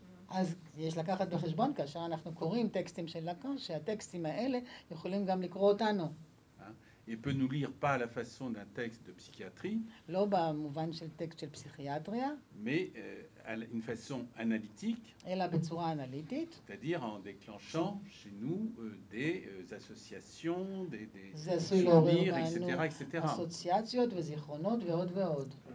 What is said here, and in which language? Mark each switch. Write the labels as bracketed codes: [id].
[he] אז יש לקחת בחשבון כאשר אנחנו קוראים טקסטים של לקן, שהטקסטים האלה יכולים גם לקרוא אותנו. [fr] Il peut nous lire pas à la façon d'un texte de psychiatrie. [he] לא במובן של טקסט של פסיכיאטריה. [fr] Mais une façon analytique. [he] אלא בצורה אנליטית. [fr] C'est-à-dire en déclenchant chez nous des associations, des souvenirs, etc. [he] אסוציאציות וזיכרונות ועוד ועוד.